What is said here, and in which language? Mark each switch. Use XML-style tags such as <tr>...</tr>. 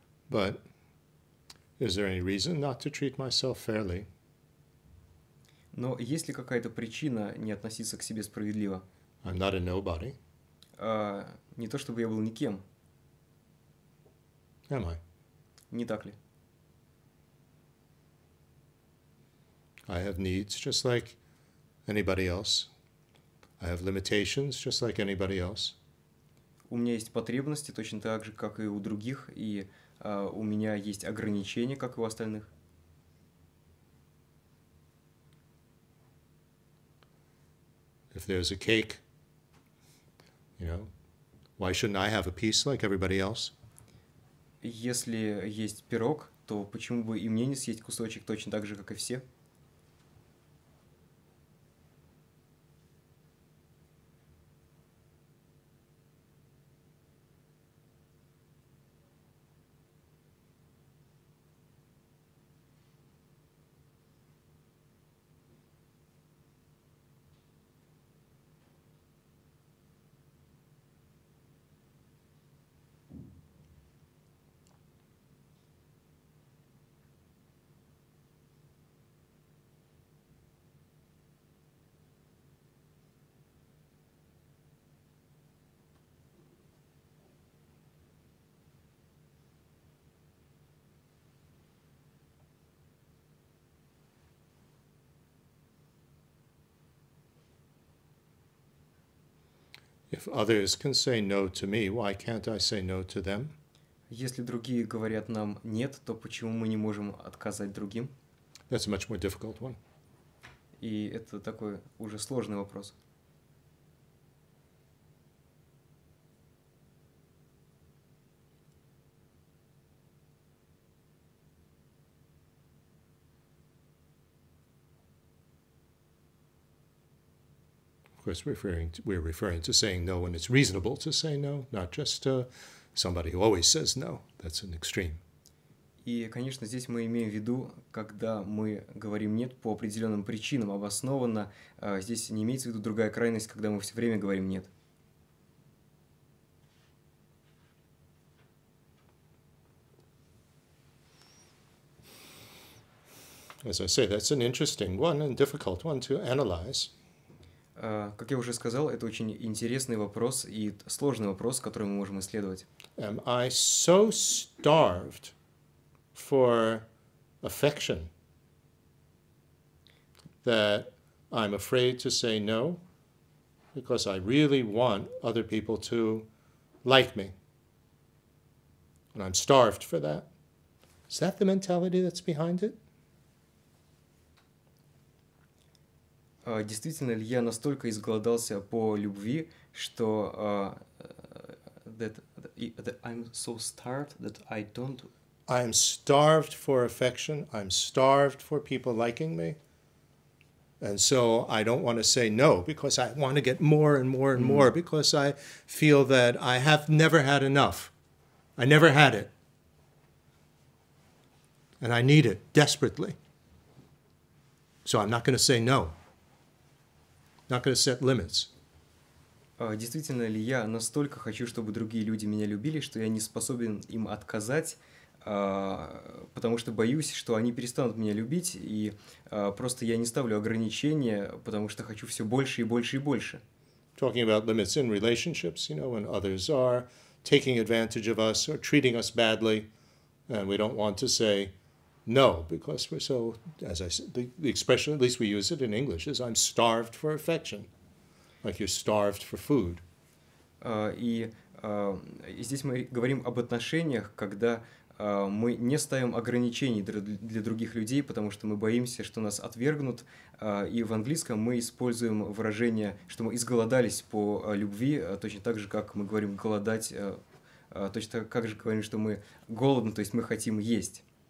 <en>But is there any reason not to treat myself fairly?</en> <ru>Но есть ли какая-то причина не относиться к себе справедливо?</ru> <en>I'm not a nobody.</en> <ru>Не то чтобы я был никем.</ru> <en>Am I?</en> <ru>Не так ли?</ru> <en>I have needs just like anybody else. I have limitations just like anybody else.</en> <ru>У меня есть потребности точно так же, как и у других, и у меня есть ограничения, как и у остальных.</ru> <en>If there's a cake, you know, why shouldn't I have a piece like everybody else?</en> <ru>Если есть пирог, то почему бы и мне не съесть кусочек точно так же, как и все?</ru> <en>If others can say no to me, why can't I say no to them?</en> <ru>Если другие говорят нам нет, то почему мы не можем отказать другим?</ru> <en>That's a much more difficult one.</en> <ru>И это такой уже сложный вопрос.</ru> <en>We're referring to saying no when it's reasonable to say no, not just somebody who always says no. That's an extreme.</en> <ru>И, конечно, здесь мы имеем в виду, когда мы говорим нет по определенным причинам, обоснованно. Здесь не имеется в виду другая крайность, когда мы все время говорим нет.</ru> <en>As I say, that's an interesting one and difficult one to analyze.</en> <ru>Как я уже сказал, это очень интересный вопрос и сложный вопрос, который мы можем исследовать.</ru> <en>Am I so starved for affection that I'm afraid to say no because I really want other people to like me? And I'm starved for that. Is that the mentality that's behind it?</en> <ru>Действительно ли я настолько изголодался по любви, что</ru> <en>that I'm so starved that I don't... I'm starved for affection, I'm starved for people liking me, and so I don't want to say no, because I want to get more and more and more, because I feel that I have never had enough. I never had it. and I need it desperately. So I'm not going to say no. Not going to set limits.</en> <ru>Действительно ли я настолько хочу, чтобы другие люди меня любили, что я не способен им отказать, потому что боюсь, что они перестанут меня любить, и просто я не ставлю ограничения, потому что хочу все больше и больше и больше.</ru> <en>Talking about limits in relationships, you know, when others are taking advantage of us or treating us badly, and we don't want to say no, because we're so, as I said, the expression, at least we use it in English, is I'm starved for affection, like you're starved for food.</en> <ru>И здесь мы говорим об отношениях, когда мы не ставим ограничений для других людей, потому что мы боимся, что нас отвергнут. И в английском мы используем выражение, что мы изголодались по любви, точно так же, как мы говорим голодать, точно так же говорим, что мы голодны, то есть мы хотим есть.</ru>